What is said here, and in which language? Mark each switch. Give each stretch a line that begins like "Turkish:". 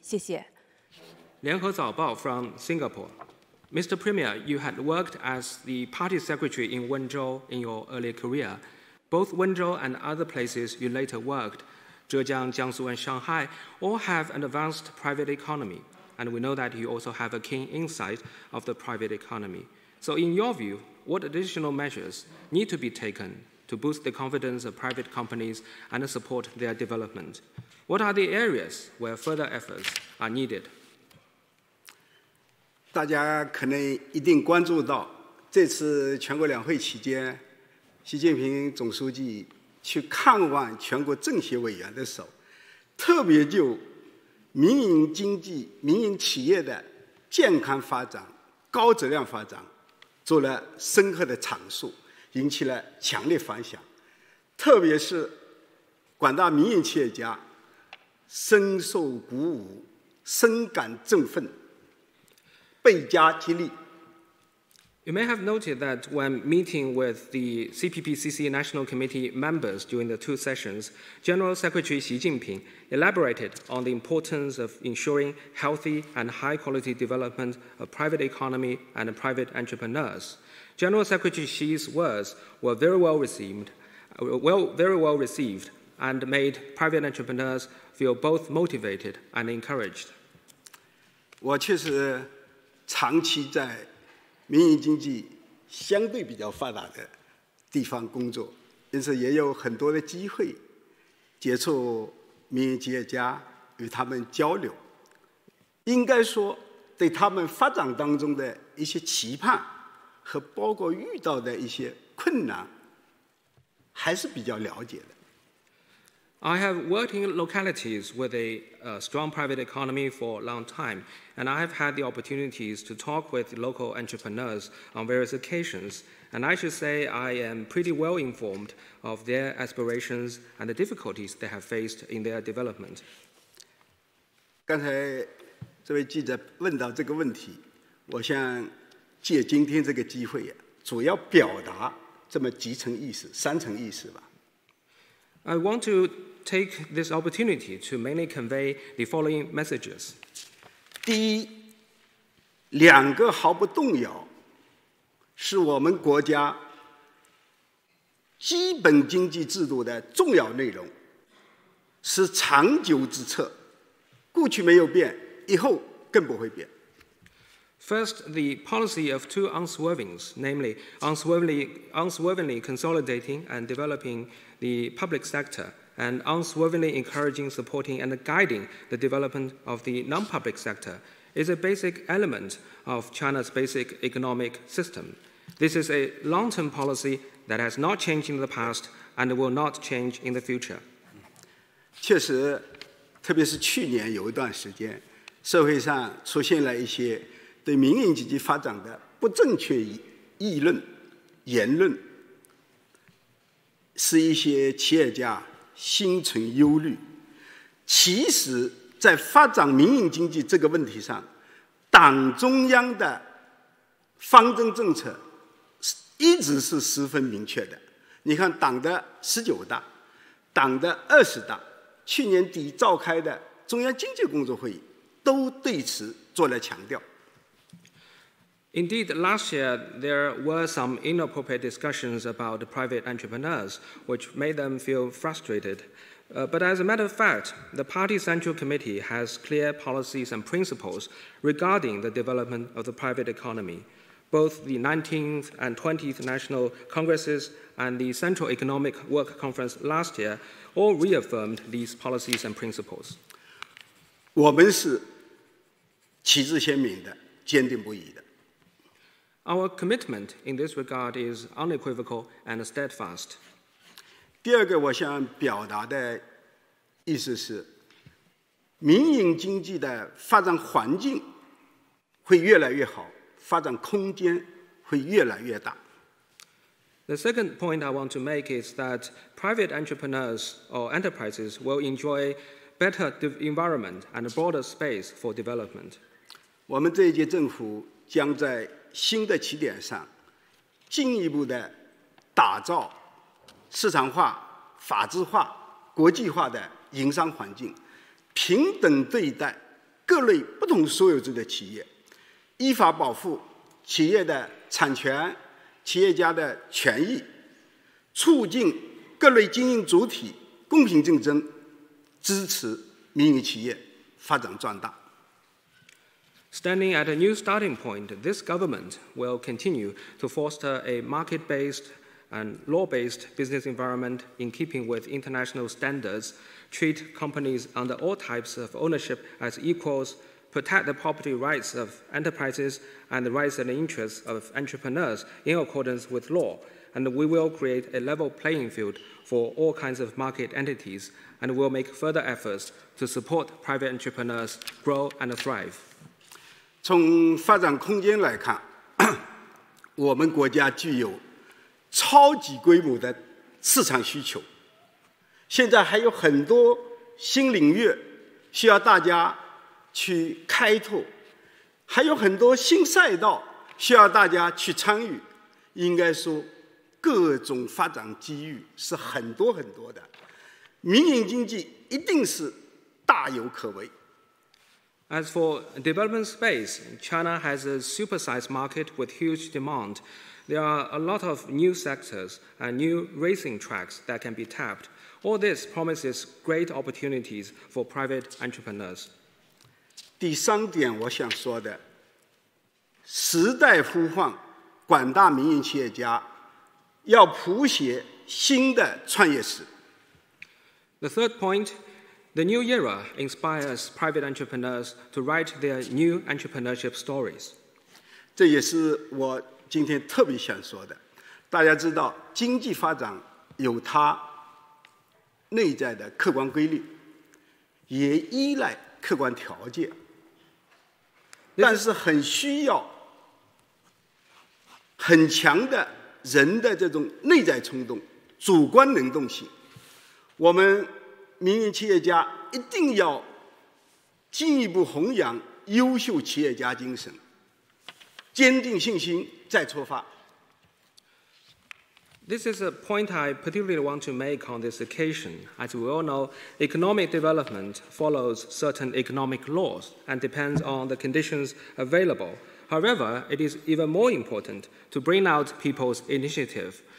Chinese: 谢谢。
English: 联合早报 from Singapore。Mr. Premier, you had worked as the party secretary in Wenzhou in your earlier career. Both Wenzhou and other places you later worked, Zhejiang, Jiangsu, and Shanghai, all have an advanced private economy. And we know that you also have a keen insight of the private economy. So in your view, what additional measures need to be taken to boost the confidence of private companies and support their development? What are the areas where further efforts are needed?
Chinese: 大家可能一定关注到，这次全国两会期间，习近平总书记去看望全国政协委员的时候，特别就民营经济、民营企业的健康发展、高质量发展做了深刻的阐述，引起了强烈反响。特别是广大民营企业家深受鼓舞，深感振奋。倍加激励。
English: You may have noted that when meeting with the CPPCC National Committee members during the two sessions, General Secretary Xi Jinping elaborated on the importance of ensuring healthy and high-quality development of private economy and private entrepreneurs. General Secretary Xi's words were very well received and made private entrepreneurs feel both motivated and encouraged.
Chinese: 我确实长期在民营经济相对比较发达的地方工作，因此也有很多的机会接触民营企业家，与他们交流。应该说，对他们发展当中的一些期盼和包括遇到的一些困难，还是比较了解的。
English: I have worked in localities with a strong private economy for a long time, and I have had the opportunities to talk with local entrepreneurs on various occasions, and I should say I am pretty well informed of their aspirations and the difficulties they have faced in their development.
Chinese: 刚才这位记者问到这个问题，我想借今天这个机会，主要表达这么几层意思，三层意思吧。
English: I want to take this opportunity to mainly convey the following messages.
Chinese: 第一，两个毫不动摇，是我们国家基本经济制度的重要内容，是长久之策，过去没有变，以后更不会变。
English: First, the policy of two unswervings, namely unswervingly consolidating and developing the public sector, and unswervingly encouraging, supporting, and guiding the development of the non-public sector, is a basic element of China's basic economic system. This is a long-term policy that has not changed in the past and will not change in the future.
Chinese: 确实，特别是去年有一段时间，社会上出现了一些对民营经济发展的不正确议论、言论，使一些企业家心存忧虑。其实，在发展民营经济这个问题上，党中央的方针政策一直是十分明确的。你看，党的十九大、党的二十大，去年底召开的中央经济工作会议，都对此做了强调。
English: Indeed, last year there were some inappropriate discussions about private entrepreneurs, which made them feel frustrated. But as a matter of fact, the Party Central Committee has clear policies and principles regarding the development of the private economy. Both the 19th and 20th National Congresses and the Central Economic Work Conference last year all reaffirmed these policies and principles.
Chinese: 我们是旗帜鲜明的，坚定不移的。
English: Our commitment in this regard is unequivocal and steadfast.
Chinese: 第二个我想表达的意思是，民营经济的发展环境会越来越好，发展空间会越来越大。
English: The second point I want to make is that private entrepreneurs or enterprises will enjoy better environment and a broader space for development.
Chinese: 我们这一届政府将在新的起点上进一步的打造市场化、法治化、国际化的营商环境，平等对待各类不同所有制的企业，依法保护企业的产权、企业家的权益，促进各类经营主体公平竞争，支持民营企业发展壮大。
English: Standing at a new starting point, this government will continue to foster a market-based and law-based business environment in keeping with international standards, treat companies under all types of ownership as equals, protect the property rights of enterprises and the rights and interests of entrepreneurs in accordance with law, and we will create a level playing field for all kinds of market entities, and will make further efforts to support private entrepreneurs grow and thrive.
Chinese: 从发展空间来看，我们国家具有超级规模的市场需求，现在还有很多新领域需要大家去开拓，还有很多新赛道需要大家去参与，应该说各种发展机遇是很多很多的，民营经济一定是大有可为。
English: As for development space, China has a supersized market with huge demand. There are a lot of new sectors and new racing tracks that can be tapped. All this promises great opportunities for private entrepreneurs.
Chinese: 第三点我想说的，时代呼唤广大民营企业家要谱写新的创业史。
English: The third point,The new era inspires private entrepreneurs to write their new entrepreneurship stories.
Chinese: 这也是我今天特别想说的。大家知道，经济发展有它内在的客观规律，也依赖客观条件，但是很需要很强的人的这种内在冲动、主观能动性。我们民营企业家一定要进一步弘扬优秀企业家精神，坚定信心再出发。
English: This is a point I particularly want to make on this occasion. As we all know, economic development follows certain economic laws and depends on the conditions available. However, it is even more important to bring out people's initiative.